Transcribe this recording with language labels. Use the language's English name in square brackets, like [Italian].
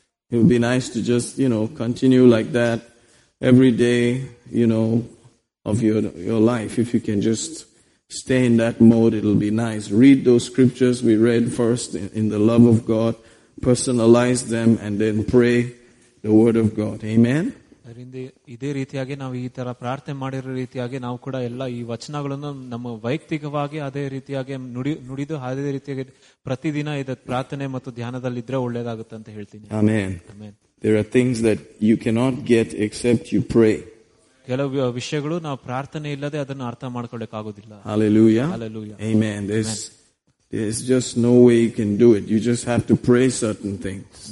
[English] It would be nice to just, you know, continue like that every day, you know, of your life. If you can just stay in that mode, it'll be nice. Read those scriptures we read first in the love of God, personalize them, and then pray the word of God. Amen. [Kannada] ಇದೇ ರೀತಿಯಾಗಿ ನಾವು ಈ ತರ ಪ್ರಾರ್ಥನೆ ಮಾಡಿರೋ ರೀತಿಯಾಗಿ ನಾವು ಕೂಡ ಎಲ್ಲ ಈ ವಚನಗಳನ್ನು ನಮ್ಮ ವೈಯಕ್ತಿಕವಾಗಿ ಅದೇ ರೀತಿಯಾಗಿ ನುಡಿದು ಅದೇ ರೀತಿಯಾಗಿ ಪ್ರತಿದಿನ ಇದ ಪ್ರಾರ್ಥನೆ ಮತ್ತು ಧ್ಯಾನದಲ್ಲಿ ಇದ್ರೆ ಒಳ್ಳೇದಾಗುತ್ತೆ ಅಂತ ಹೇಳ್ತೀನಿ. Amen. [English] There are things that you cannot get except you pray. [Kannada] ಕೆಲವು ವಿಷಯಗಳು ನಾವು ಪ್ರಾರ್ಥನೆ ಇಲ್ಲದೆ ಅದನ್ನು ಅರ್ಥ ಮಾಡ್ಕೊಳ್ಳಕ್ ಆಗೋದಿಲ್ಲ. [English] Hallelujah. Hallelujah. Amen. There's just no way you can do it. You just have to pray certain things.